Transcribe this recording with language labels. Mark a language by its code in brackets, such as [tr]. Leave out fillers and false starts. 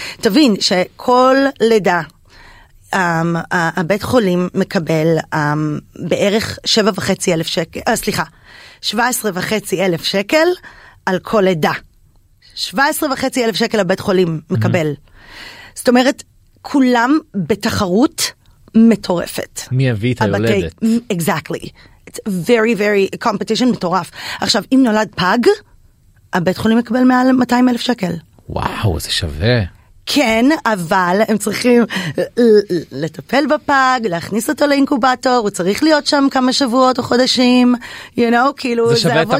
[he] תבין שכל לידה, הבית חולים מקבל בערך 7,500 שקל, סליחה, 17,500 שקל על כל לידה. 17,500 שקל הבית חולים מקבל. זאת אומרת, כולם בתחרות מטורפת. מי הביא את היולדת? [en] Exactly. It's very, very competition, [he] מטורף. עכשיו, אם נולד פג, הבית חולים מקבל מעל 200,000 שקל. וואו, זה שווה. כן, אבל הם צריכים לטפל בפג, להכניס אותו לאינקובטור, הוא צריך להיות שם כמה שבועות או חודשים, [en] you know, [he] כאילו זה עבודה.